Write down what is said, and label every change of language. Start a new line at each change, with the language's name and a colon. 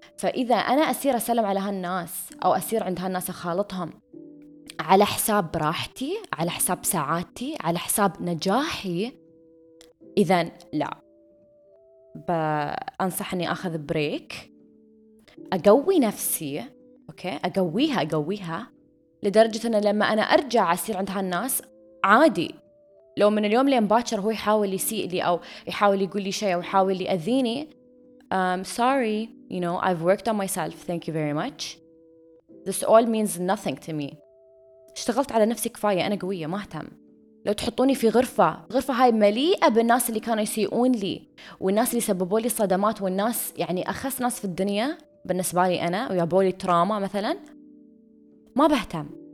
Arabic: فإذا أنا أسير أسلم على هالناس أو أسير عند هالناس أخالطهم على حساب راحتي، على حساب سعادتي، على حساب نجاحي، إذا لا، بأنصح أني أخذ بريك، أقوي نفسي، أوكي، أقويها لدرجة أن لما أنا أرجع أسير عند هالناس عادي. لو من اليوم لين باكر هو يحاول يسيء لي أو يحاول يقول لي شيء أو يحاول يأذيني،
English: sorry, you know, I've worked on myself, thank you very much. This all means nothing to me.
Arabic: اشتغلت على نفسي كفاية، أنا قوية، ما أهتم. لو تحطوني في غرفة، غرفة هاي مليئة بالناس اللي كانوا يسيئون لي والناس اللي سببوا لي صدمات والناس يعني أخس ناس في الدنيا بالنسبة لي أنا ويابوا لي تراما مثلا، ما بهتم.